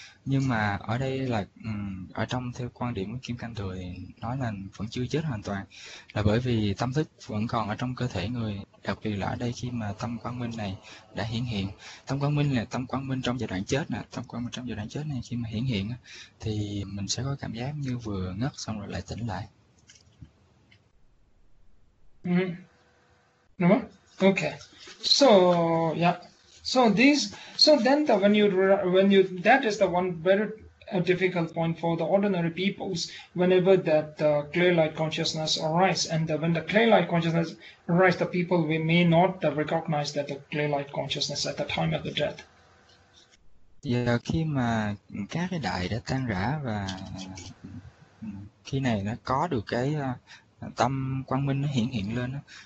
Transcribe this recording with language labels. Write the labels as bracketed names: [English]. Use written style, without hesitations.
[Vietnamese] Nhưng mà ở đây là ở trong theo quan điểm của Kim Cang Thừa thì nói là vẫn chưa chết hoàn toàn là bởi vì tâm thức vẫn còn ở trong cơ thể người, đặc biệt là ở đây khi mà tâm quang minh này đã hiển hiện. Tâm quang minh là tâm quang minh trong giai đoạn chết nè, tâm quang minh trong giai đoạn chết này khi mà hiển hiện thì mình sẽ có cảm giác như vừa ngất xong rồi lại tỉnh lại. Đúng không? [English] Okay, so yeah, so these, so then the, when you that is the one very difficult point for the ordinary peoples whenever that clear light consciousness arise, and when the clear light consciousness arise, the people we may not recognize that the clear light consciousness at the time of the death. [Vietnamese] Yeah, khi mà các cái đại đã tan rã và khi này nó có được cái tâm quang minh nó hiện hiện lên đó.